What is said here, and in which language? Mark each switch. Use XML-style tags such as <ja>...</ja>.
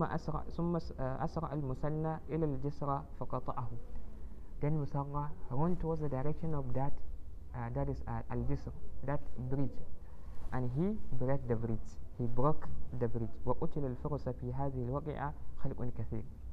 <ar>ثم أسرع المسنة إلى الجسر فقطعه.</ar> <en>Then Musanna went towards the direction of that is al-jisr, that bridge, and he broke the bridge.</en> <ar>وقتل الفرس في هذه الوقعة خلق كثير.</ar>